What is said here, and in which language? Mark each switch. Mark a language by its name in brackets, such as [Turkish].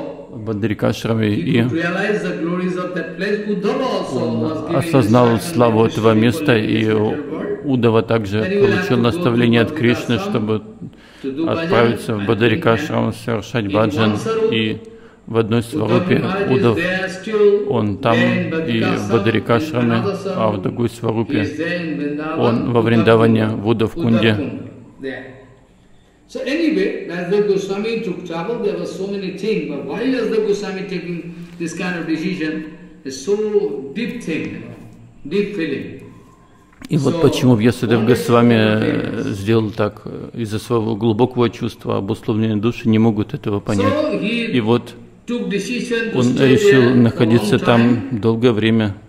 [Russian] Бадрикашраме, и он осознал славу этого места, и Удава также получил наставление от Кришны, чтобы отправиться в Бадрикашрам совершать баджан. И в одной сварупе Удав, он там и в Бадрикашраме, а в другой сварупе он во Вриндаване в Удавкунде. [English] So anyway, as the Goswami took travel, there were so many things. But why is the Goswami taking this kind of decision? It's so deep thing, deep feeling. [Russian] И вот почему Вьясадев Госвами сделал так, из-за своего глубокого чувства, обусловленные души не могут этого понять. И вот он решил находиться там долгое время.